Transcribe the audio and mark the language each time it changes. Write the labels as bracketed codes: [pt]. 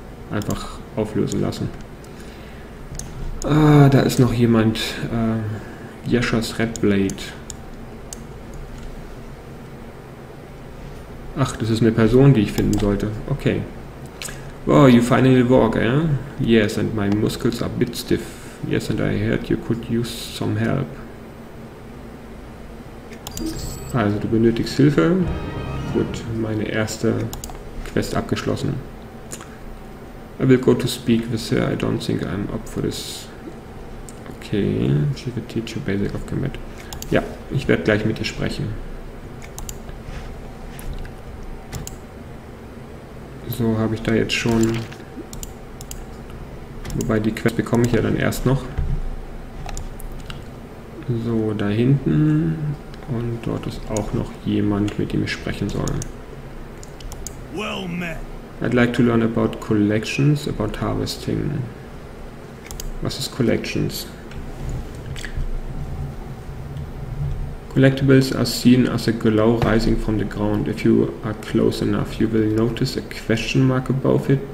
[de] einfach auflösen lassen. Ah, da ist noch jemand. [en] Yesha's Red Blade. [de] Ach, das ist eine Person, die ich finden sollte. [en] Okay. Wow, you finally walk, eh? Yes, and my muscles are a bit stiff. Yes, and I heard you could use some help. [de] Also, du benötigst Hilfe. Gut, meine erste Quest abgeschlossen. [en] I will go to speak with her. I don't think I'm up for this. Okay, she will teach you basic of combat. [de] Ja, ich werde gleich mit dir sprechen. So, habe ich da jetzt schon... Wobei, die Quest bekomme ich ja dann erst noch. So, da hinten. Und dort ist auch noch jemand, mit dem ich sprechen soll. [en] Well met. I'd like to learn about collections, about harvesting. [de] Was ist collections? [en] Collectibles are seen as a glow rising from the ground. If you are close enough, you will notice a question mark above it.